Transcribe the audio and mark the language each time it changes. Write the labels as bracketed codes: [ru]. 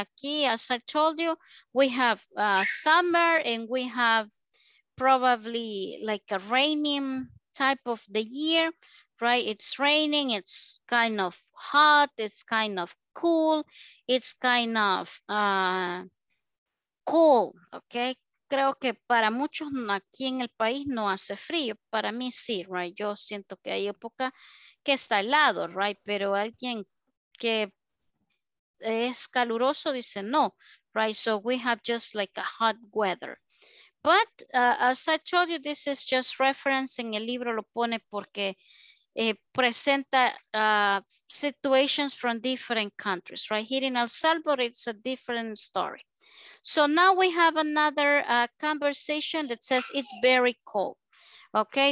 [en] Aquí, as I told you, we have summer and we have probably like a raining type of the year, right? It's raining, it's kind of hot, it's kind of cool, it's kind of cool, okay? [es] Creo que para muchos aquí en el país no hace frío, para mí sí, right? Yo siento que hay época que está helado, right? Pero alguien que es caluroso dice no, right? [en] So we have just like a hot weather, but as I told you, this is just reference. [es] En el libro lo pone porque presenta [en] situations from different countries, [es] right? [en] Here in El Salvador it's a different story. So now we have another conversation that says it's very cold, okay?